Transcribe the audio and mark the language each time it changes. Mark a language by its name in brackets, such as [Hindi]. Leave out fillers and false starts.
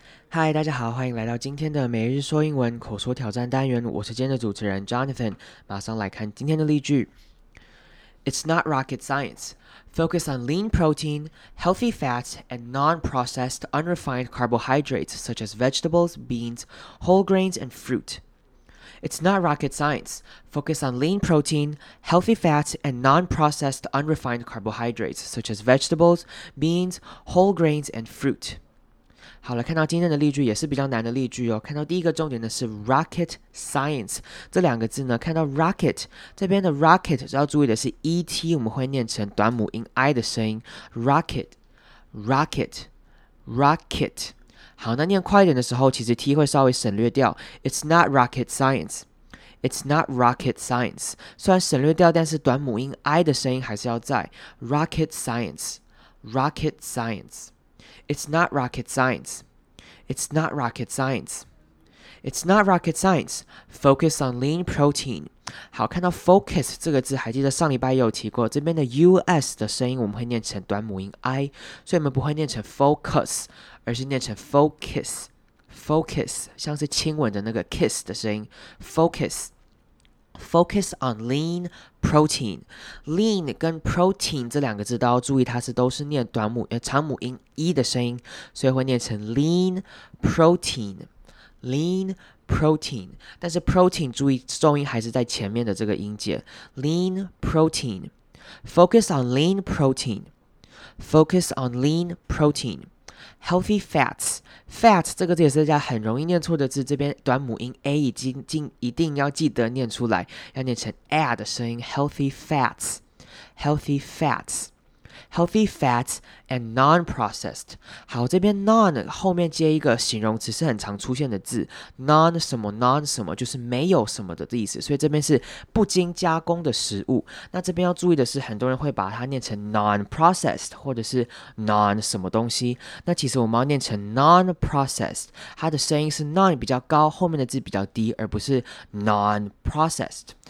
[Chinese] 嗨，大家好，欢迎来到今天的每日说英文口说挑战单元，我是今天的主持人 Jonathan。马上来看今天的例句。 [English] It's not rocket science. Focus on lean protein, healthy fats, and non-processed, unrefined carbohydrates such as vegetables, beans, whole grains, and fruit. It's not rocket science. Focus on lean protein, healthy fats, and non-processed, unrefined carbohydrates such as vegetables, beans, whole grains, and fruit. [Chinese] 好了，看到今天的例句也是比较难的例句哦。看到第一个重点的是 rocket science 这两个字呢，看到 rocket 这边的 rocket 要注意的是 et， 我们会念成短母音 i 的声音 rocket rocket rocket。好，那念快一点的时候，其实 t 会稍微省略掉。 [English] It's not rocket science. It's not rocket science. [Chinese] 虽然省略掉，但是短母音 i 的声音还是要在 rocket science. [English] Rocket science. It's not rocket science. It's not rocket science. It's not rocket science. Focus on lean protein. [Chinese] 好，看到 focus 这个字，还记得上礼拜也有提过，这边的 us 的声音我们会念成短母音 i， 所以我们不会念成 focus。而是念成 focus， focus， 像是亲吻的那个 kiss 的声音， focus， [English] focus on lean protein。 [Chinese] lean 跟 protein 这两个字都要注意，它是都是念短母长母音 e 的声音，所以会念成 lean protein， lean protein。但是 protein 注意重音还是在前面的这个音节， lean protein。 [English] focus on lean protein， focus on lean proteinHealthy fats. [Chinese] Fat 这个字也是一家很容易念错的字，这边短母音 a 一定要记得念出来，要念成 a 的声音。 [English] Healthy fats, healthy fats, healthy fats and non-processed. [Chinese] 好，这边 non 后面接一个形容词是很常出现的字， non 什么 non 什么就是没有什么的意思，所以这边是不经加工的食物。那这边要注意的是，很多人会把它念成 non-processed 或者是 non 什么东西，那其实我们要念成 non-processed， 它的声音是 non 比较高，后面的字比较低，而不是 non-processed。